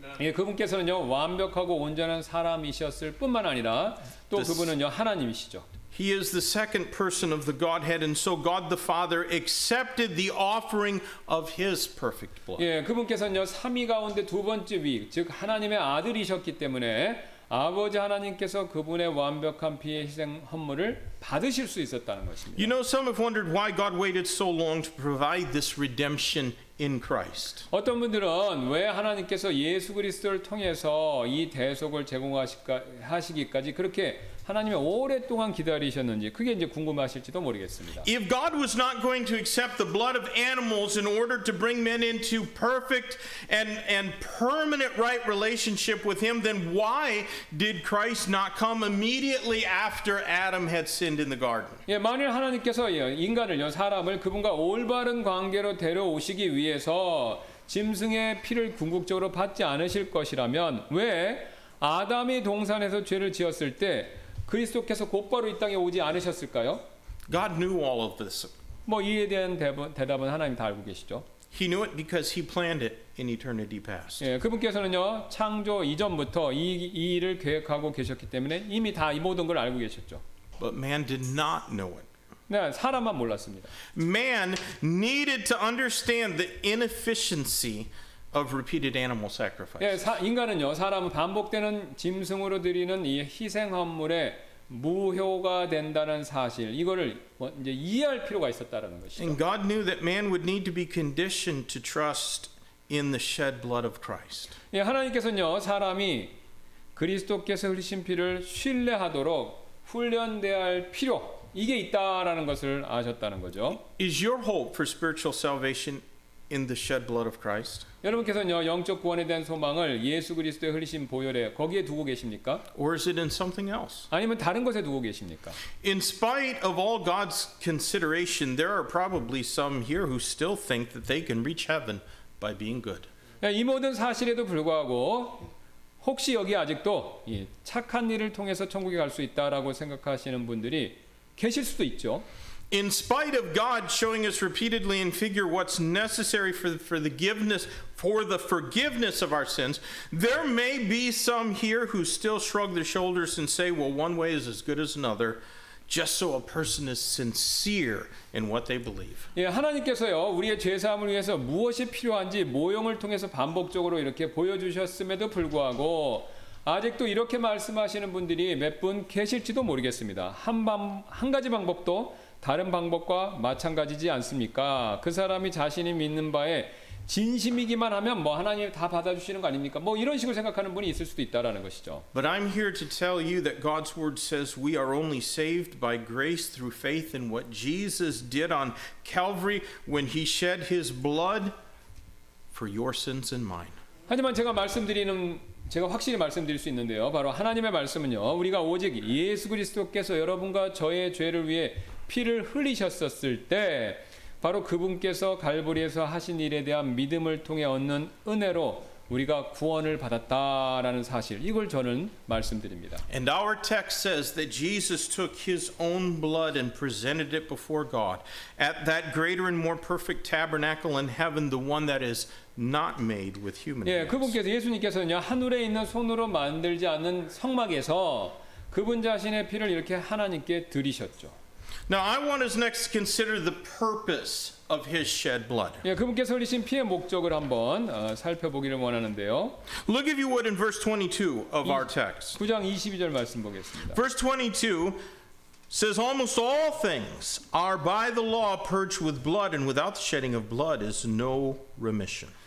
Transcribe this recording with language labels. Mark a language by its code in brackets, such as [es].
[ko] 예, 그분께서는요 완벽하고 온전한 사람이셨을 뿐만 아니라 또 그분은요 하나님이시죠. [en] He is the second person of the Godhead, and so God the Father accepted the offering of His perfect blood. [ko] 예, 그분께서는요 삼위 가운데 두 번째 위, 즉 하나님의 아들이셨기 때문에 아버지 하나님께서 그분의 완벽한 피의 희생 헌물을 받으실 수 있었다는 것입니다. [en] You know, some have wondered why God waited so long to provide this redemption in Christ. [ko] 어떤 분들은 왜 하나님께서 예수 그리스도를 통해서 이 대속을 제공하시기까지 그렇게 하나님이 오랫동안 기다리셨는지 그게 이제 궁금하실지도 모르겠습니다. [en] If God was not going to accept the blood of animals in order to bring men into perfect and permanent right relationship with him, then why did Christ not come immediately after Adam had sinned in the garden? [ko] 예, 만일 하나님께서 인간을요, 사람을 그분과 올바른 관계로 데려오시기 위해서 짐승의 피를 궁극적으로 받지 않으실 것이라면 왜 아담이 동산에서 죄를 지었을 때 그리스도께서 곧바로 이 땅에 오지 않으셨을까요? [en] God knew all of this. [ko] 뭐 이에 대한 대답은 하나님 다 알고 계시죠. [en] He knew it because he planned it in eternity past. [ko] 예, 그분께서는요 창조 이전부터 이 일을 계획하고 계셨기 때문에 이미 다 이 모든 걸 알고 계셨죠. [en] But man did not know it. [ko] 네, 사람만 몰랐습니다. [en] Man needed to understand the inefficiency of repeated animal sacrifice. [ko] 예, 인간은요, 사람은 반복되는 짐승으로 드리는 이 희생 헌물에 무효가 된다는 사실, 이거를 이제 이해할 필요가 있었다라는 것이죠. [en] And God knew that man would need to be conditioned to trust in the shed blood of Christ. [ko] 예, 하나님께서는요, 사람이 그리스도께서 흘리신 피를 신뢰하도록 훈련돼야 할 필요, 이게 있다라는 것을 아셨다는 거죠. [en] Is your hope for spiritual salvation in the shed blood of Christ? [ko] 여러분께서는요 영적 구원에 대한 소망을 예수 그리스도의 흘리신 보혈에 거기에 두고 계십니까? [en] Or is it in something else? [ko] 아니면 다른 것에 두고 계십니까? [en] In spite of all God's consideration, there are probably some here who still think that they can reach heaven by being good. [ko] 이 모든 사실에도 불구하고 혹시 여기 아직도 착한 일을 통해서 천국에 갈 수 있다라고 생각하시는 분들이 계실 수도 있죠. [en] In spite of God showing us repeatedly in figure what's necessary for the forgiveness of our sins, there may be some here who still shrug their shoulders and say, well, one way is as good as another, just so a person is sincere in what they believe. [ko] 예, 하나님께서요, 우리의 죄사함을 위해서 무엇이 필요한지 모형을 통해서 반복적으로 이렇게 보여주셨음에도 불구하고 아직도 이렇게 말씀하시는 분들이 몇 분 계실지도 모르겠습니다. 한 가지 방법도 다른 방법과 마찬가지지 않습니까? 그 사람이 자신이 믿는 바에 진심이기만 하면 뭐 하나님 다 받아주시는 거 아닙니까? 뭐 이런 식으로 생각하는 분이 있을 수도 있다라는 것이죠. [en] But I'm here to tell you that God's word says we are only saved by grace through faith in what Jesus did on Calvary when he shed his blood for your sins and mine. [ko] 하지만 제가 확실히 말씀드릴 수 있는데요. 바로 하나님의 말씀은요. 우리가 오직 예수 그리스도께서 여러분과 저의 죄를 위해 피를 흘리셨었을 때 바로 그분께서 갈보리에서 하신 일에 대한 믿음을 통해 얻는 은혜로 우리가 구원을 받았다라는 사실 이걸 저는 말씀드립니다. [en] And our text says that Jesus took his own blood and presented it before God at that greater and more perfect tabernacle in heaven, the one that is not made with human hands. [ko] 예, 그분께서 예수님께서는요 하늘에 있는 손으로 만들지 않은 성막에서 그분 자신의 피를 이렇게 하나님께 드리셨죠. [en] Now I want us next to consider the purpose of his shed blood. [ko] 예, 그분께서 흘리신 피의 목적을 한번 살펴보기를 원하는데요. [en] Look if you would in verse 22 of our text. [ko] 9장 22절 말씀 보겠습니다. [en] Verse 22 says almost all things are by the law purged with blood and without the shedding of blood is no remission.